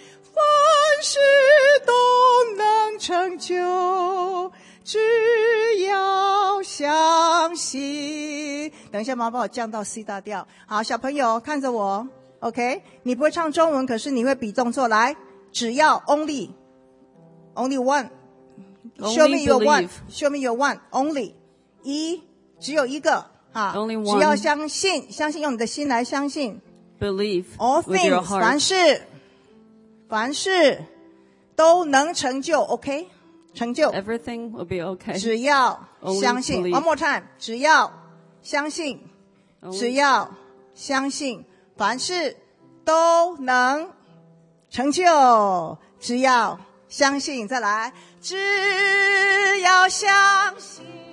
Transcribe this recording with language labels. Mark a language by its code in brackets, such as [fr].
[zh] 凡事都能成就，只要相信。等一下，妈妈把我降到 C 大调。好，小朋友看着我 ，OK？你不会唱中文，可是你会比动作来。只要 [en] only one, show me your one, only [zh] 只有一个啊 [en] only one, [zh] 只要相信，相信用你的心来相信 [en] believe all things, with your heart. [zh] 凡事都能成就 OK 成就 [en] everything will be OK [zh] 只要相信 [en] only one more time [zh] 只要相信 [en] only. [zh] 只要相信凡事都能成就，只要相信，再来，只要相信。